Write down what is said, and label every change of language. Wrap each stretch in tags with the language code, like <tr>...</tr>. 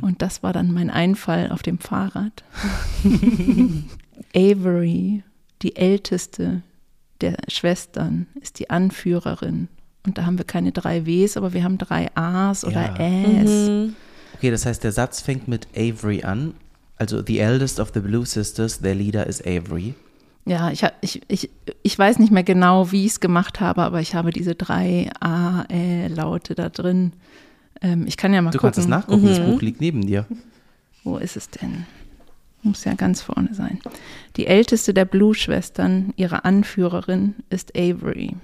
<de>Und das war dann mein Einfall auf dem Fahrrad. Avery, die älteste der Schwestern, ist die Anführerin. Und da haben wir keine drei Ws, aber wir haben drei As oder Äs. Mhm. Okay, das heißt, der Satz fängt mit Avery an.</de> <en>Also, the eldest of the Blue Sisters, their leader is Avery.</en> <de>Ja, ich weiß nicht mehr genau, wie ich es gemacht habe, aber ich habe diese drei A-Laute da drin. Ich kann ja mal du gucken. Du kannst es nachgucken, das Buch liegt neben dir. Wo ist es denn? muss ja ganz vorne sein. Die älteste der Blue-Schwestern, ihre Anführerin, ist Avery.</de>